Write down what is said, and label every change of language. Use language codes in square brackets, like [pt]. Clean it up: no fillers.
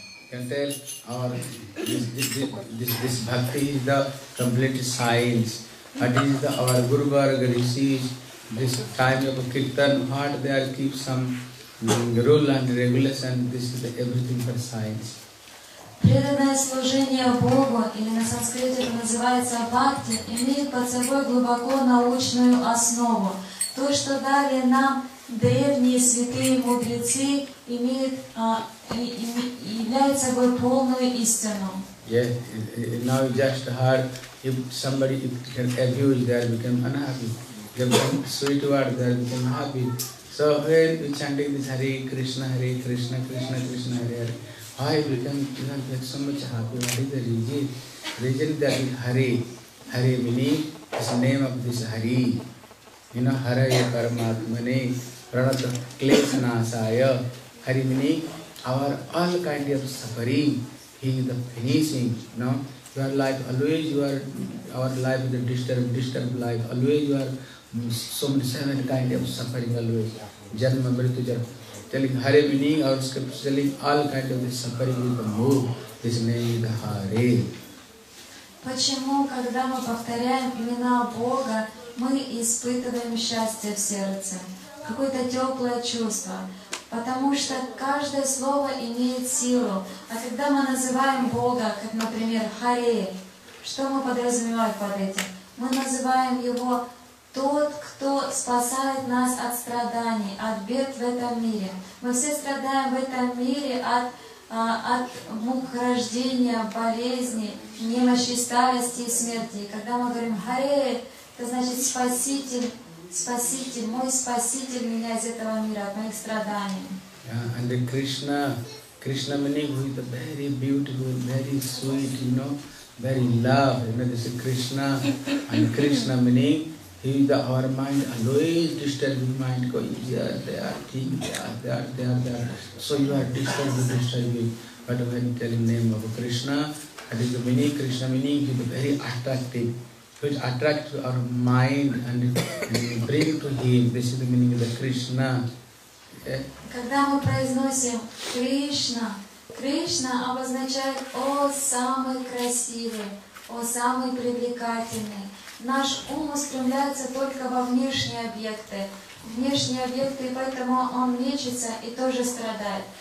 [en] himself, or this bhakti is the complete science. What is the our Guru Varga receives this time of kirtan, what they are keep some rule and regulation, this is the everything for science. [ru] Преданное служение Богу, или на санскрите это называется бхакти, имеет под собой глубоко научную основу. То, что дали нам древние святые мудрецы, имеет, является собой полную истину. [en] Yeah, now you just heard, if somebody can abuse, they become unhappy. They become sweet word, they become happy. So here we chanting this Hare Krishna, Krishna, Krishna, Hare Hare. Why we can not get so much happy? What is the reason? Reason that Hare, Hare meaning is name of this Hare. You know, [sa] Haraya Paramatmane, Pranata Kleshanasaya. [en] Hare meaning our all kind of suffering. He is the finishing, no? Your life always, our life is the disturbed life. Always you are so many, seven kind of suffering always. Janma, Mritu, Janma. Telling Hare meaning our scripture, telling all kind of this suffering is the move. This name is the Hare. [ru] Почему, когда мы повторяем имена Бога, мы испытываем счастье в сердце, какое-то теплое чувство? Потому что каждое слово имеет силу. А когда мы называем Бога, как, например, Харе, что мы подразумеваем под этим? Мы называем Его Тот, Кто спасает нас от страданий, от бед в этом мире. Мы все страдаем в этом мире от мук рождения, болезни, немощи, старости и смерти. И когда мы говорим Харе, это значит Спаситель, Спаситель, мой Спаситель меня из этого мира, от моих страданий. [en] Yeah, and Krishna, Krishna meaning who is very beautiful, very sweet, you know, very love, you know, this is Krishna. And Krishna meaning, he is our mind, always disturbing mind, going here, there, king, there. So you are disturbing. But when telling name of Krishna, that is the meaning, Krishna meaning, he is very attractive. Which attracts our mind and bring to him. This is the meaning of the Krishna. [ru] Когда мы произносим Кришна, Кришна обозначает о самый красивый, о самый привлекательный. Наш ум устремляется только во внешние объекты. Внешние объекты, и поэтому он мечется и тоже страдает.